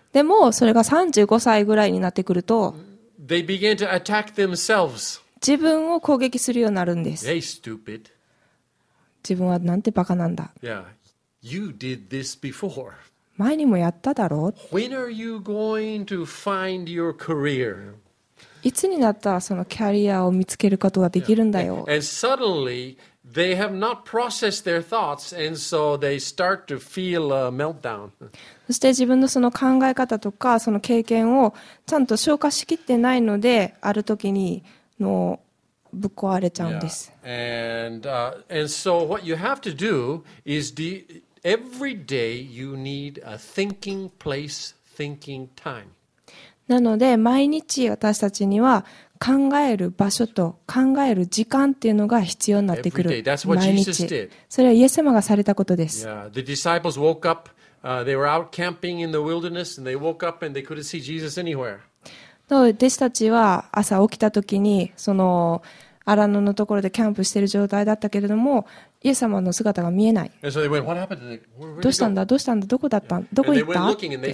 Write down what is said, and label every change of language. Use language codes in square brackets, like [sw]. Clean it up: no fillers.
[ja] でもそれが35歳ぐらいになってくると、 [en] they begin to attack themselves. [ja] 自分を攻撃するようになるんです。 [en] Hey, stupid. [ja] 自分はなんてバカなんだ。 [en] Yeah. You did this before. [ja] 前にもやっただろう。 [en] When are you going to find your career? [ja] いつになったらそのキャリアを見つけることができるんだよ。 [en] Yeah. And suddenly, they have not processed their thoughts, and so they start to feel a meltdown. [ja] そして自分のその考え方とかその経験をちゃんと消化しきってないので、あるときに、のぶっ壊れちゃうんです。 [en] Yeah. And so what you have to do is every day you need a thinking place, thinking time. [ja] なので毎日私たちには考える場所と考える時間っていうのが必要になってくる。毎日。それはイエス様がされたことです。 [en] Yeah. The disciples woke up. They were out camping in the wilderness, and they woke up and they couldn't see Jesus anywhere. [ja] 弟子たちは朝起きたときにその荒野のところでキャンプしている状態だったけれども、イエス様の姿が見えない。どうしたんだ、どうしたんだ、どこだったん、どこ行ったって。